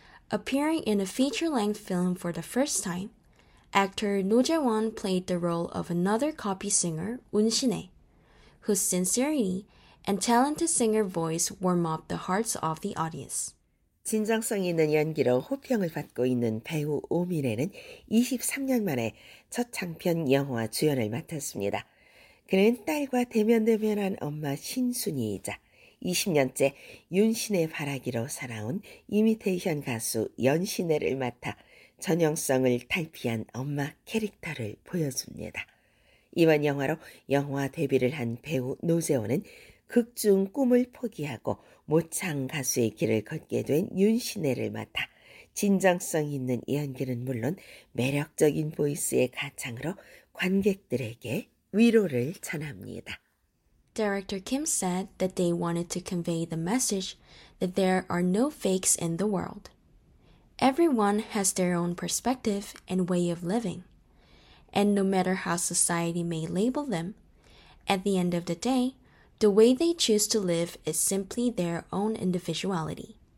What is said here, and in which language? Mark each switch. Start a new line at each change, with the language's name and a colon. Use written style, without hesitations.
English: Appearing in a feature-length film for the first time, actor Noh Jae-won played the role of another copy singer, Eun Shin-hye, whose sincerity and talented singer voice warm up the hearts of the audience.
Korean: 진정성 있는 연기로 호평을 받고 있는 배우 오민혜는 23년 만에 첫 장편 영화 주연을 맡았습니다. 그는 딸과 대면대면한 엄마 신순이이자 20년째 윤신혜 바라기로 살아온 이미테이션 가수 연신혜를 맡아 전형성을 탈피한 엄마 캐릭터를 보여줍니다. 이번 영화로 영화 데뷔를 한 배우 노재원은 극중 꿈을 포기하고 모창 가수의 길을 걷게 된 윤신혜를 맡아 진정성 있는 연기는 물론 매력적인 보이스의 가창으로 관객들에게 위로를 전합니다.
English: Director Kim said that they wanted to convey the message that there are no fakes in the world. Everyone has their own perspective and way of living. And no matter how society may label them, at the end of the day, the way they choose to live is simply their own individuality.